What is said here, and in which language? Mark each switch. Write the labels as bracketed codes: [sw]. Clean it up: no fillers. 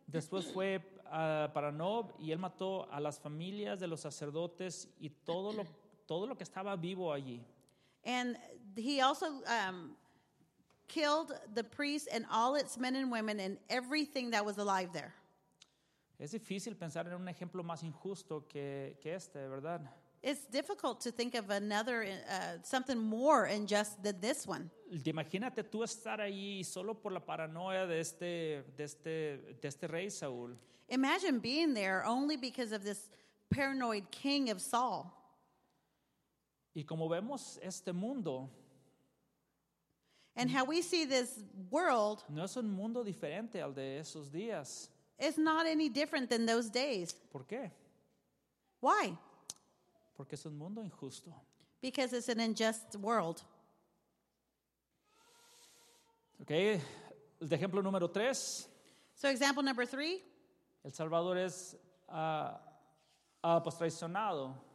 [es] Después fue para Nob y él mató a las familias de los sacerdotes y todo lo que estaba vivo allí. [en] And he also killed the priest and all its men and women and everything that was alive there. [es] Es difícil pensar en un ejemplo más injusto que este, ¿verdad? [en] It's difficult to think of another something more unjust than this one. [es] Imagínate tú estar allí solo por la paranoia de este rey Saúl. [en] Imagine being there only because of this paranoid king of Saul. [es] Y como vemos este mundo. [en] And how we see this world. [es] No es un mundo diferente al de esos días. [en] It's not any different than those days. [es] ¿Por qué? [en] Why? [es] Porque es un mundo injusto. [en] Because it's an unjust world. [es] Okay, el ejemplo número tres. [en] So example number three. [es] El Salvador es traicionado.